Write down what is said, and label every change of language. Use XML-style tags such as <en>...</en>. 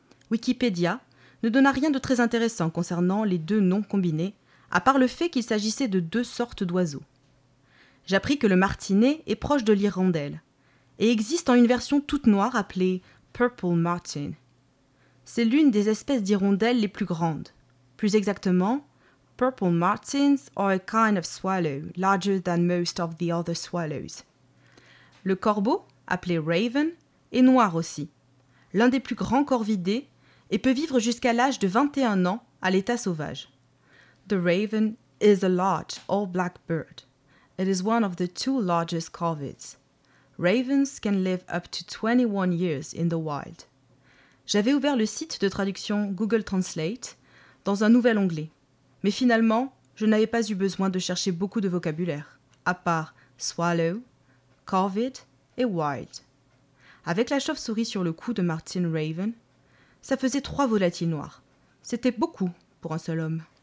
<fr>Wikipédia ne donna rien de très intéressant concernant les deux noms combinés, à part le fait qu'il s'agissait de deux sortes d'oiseaux. J'appris que le martinet est proche de l'hirondelle, et existe en une version toute noire appelée « Purple Martin ». c'est l'une des espèces d'hirondelles les plus grandes. Plus exactement,</fr> <en>purple martins are a kind of swallow larger than most of the other swallows.</en> <fr>Le corbeau, appelé raven, est noir aussi, l'un des plus grands corvidés et peut vivre jusqu'à l'âge de 21 ans à l'état sauvage.</fr> <en>The raven is a large all-black bird. It is one of the two largest corvids. Ravens can live up to 21 years in the wild.</en> <fr>J'avais ouvert le site de traduction Google Translate dans un nouvel onglet, mais finalement, je n'avais pas eu besoin de chercher beaucoup de vocabulaire, à part swallow, corvid et wild. Avec la chauve-souris sur le cou de Martin Raven, ça faisait trois volatiles noirs. C'était beaucoup pour un seul homme.</fr>